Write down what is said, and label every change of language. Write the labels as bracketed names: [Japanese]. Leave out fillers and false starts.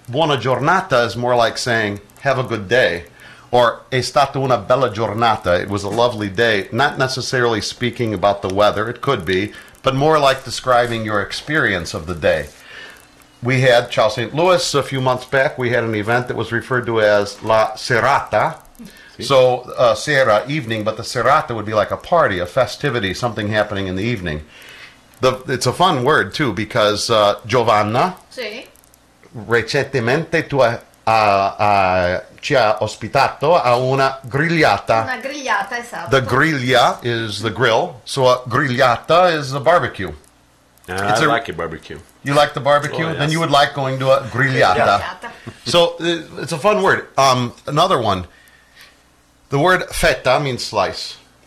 [English] buona giornata is more like saying have a good day, or [Italian] è stata una bella giornata, [English] it was a lovely day, not necessarily speaking about the weather, it could be, but more like describing your experience of the day. We had Charles St. Louis a few months back, we had an event that was referred to as la serata. So, sera, evening, but the serata would be like a party, a festivity, something happening in the evening. It's a fun word, too, because Giovanna, [Italian] sì. Recentemente tu ci ha ospitato a una grigliata. Una grigliata, esatto. [English] The griglia is the grill, so a grigliata is a barbecue. I like a barbecue. You like the barbecue? Oh, yes. Then you would like going to a grigliata. So, it's a fun word. Another one. The word feta means slice.